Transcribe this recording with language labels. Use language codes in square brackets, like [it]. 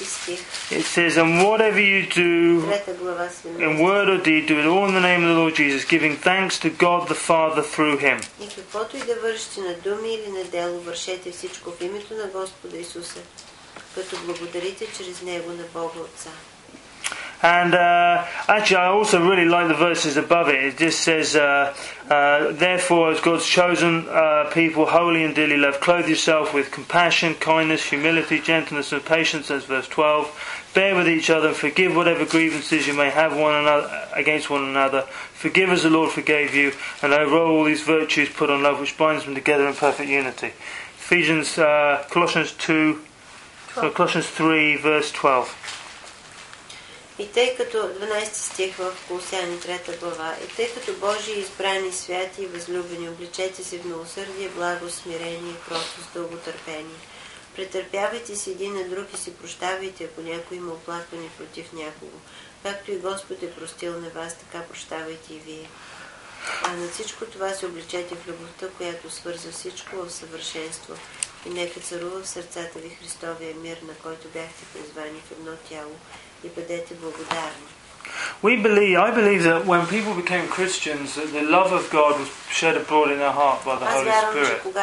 [bg] стих. [en] It says, and whatever you do in word or deed, do it all in the name of the Lord Jesus, giving thanks to God the Father through Him. [bg] И каквото и да вършите на думи или на дело, вършете всичко в името на Господа Исуса, като благодарите чрез Него на Бога Отца. [en] And actually, I also really like the verses above it. It just says, therefore, as God's chosen people, holy and dearly loved, clothe yourself with compassion, kindness, humility, gentleness, and patience, as verse 12. Bear with each other, forgive whatever grievances you may have one another against one another. Forgive as the Lord forgave you, and over all these virtues put on love, which binds them together in perfect unity. Ephesians, Colossians 2, Colossians 3, verse 12. [bg] И тъй като 12 стих в Колосяни 3 глава, и тъй като Божии избрани, святи и възлюбени, обличете се в милосърдие, благо, смирение и кротост, дълготърпение. Претърпявайте се един на друг и си прощавайте, ако някой има оплакване против някого. Както и Господ е простил на вас, така прощавайте и вие. А на всичко това се обличете в любовта, която свързва всичко в съвършенство. И нека царува в сърцата ви Христовия мир, на който бяхте призвани в едно тяло. [en] I believe that when people became Christians, that the love of God was shed abroad in their heart by the Holy Spirit.